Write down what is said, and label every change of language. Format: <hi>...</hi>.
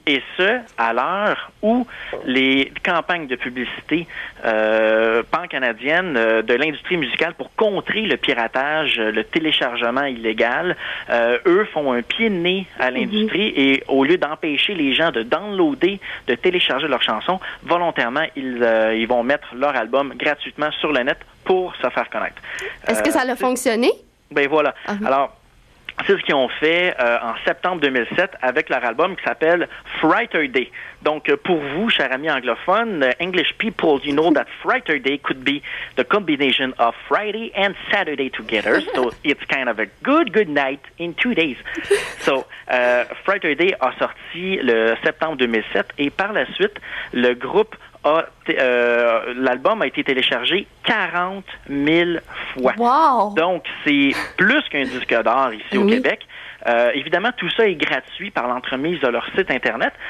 <fr>Et ce, à l'heure où les campagnes de publicité pan-canadiennes de l'industrie musicale pour contrer le piratage, le téléchargement illégal, eux font un pied de nez à l'industrie et au lieu d'empêcher les gens de downloader, de télécharger leurs chansons, volontairement, ils vont mettre leur album gratuitement sur le net pour se faire connaître. Est-ce que ça a fonctionné? Ben voilà. Uh-huh. Alors, C'est ce qu'ils ont fait en septembre 2007 avec leur album qui s'appelle Frighter Day. Donc, pour vous, chers amis anglophones,</fr> <en>English people, you know that Frighter Day could be the combination of Friday and Saturday together. So, it's kind of a good, good night in two days.</en> <fr>So, Frighter Day a sorti le septembre 2007 et par la suite, le groupe a l'album a été téléchargé 40 000 fois. Wow! Donc, c'est plus qu'un disque d'or ici au Québec. Évidemment, tout ça est gratuit par l'entremise de leur site Internet.</fr>